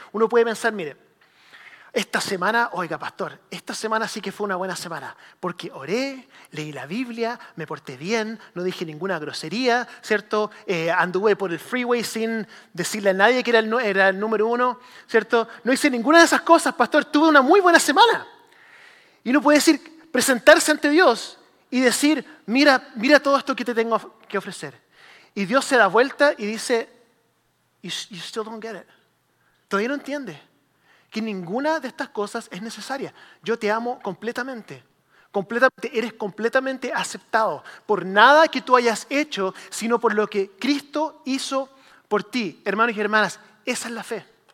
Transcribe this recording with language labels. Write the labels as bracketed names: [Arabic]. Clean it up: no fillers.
[Spanish] Uno puede pensar, mire, esta semana, oiga, pastor, esta semana sí que fue una buena semana, porque oré, leí la Biblia, me porté bien, no dije ninguna grosería, ¿cierto? Anduve por el freeway sin decirle a nadie que era el número uno, ¿cierto? No hice ninguna de esas cosas, pastor, tuve una muy buena semana. Y uno puede decir, presentarse ante Dios y decir, mira todo esto que te tengo que ofrecer. Y Dios se da vuelta y dice, [English] you still don't get it. [Spanish] Todavía no entiendes que ninguna de estas cosas es necesaria. Yo te amo completamente. Completamente, eres completamente aceptado por nada que tú hayas hecho, sino por lo que Cristo hizo por ti. Hermanos y hermanas, esa es la fe.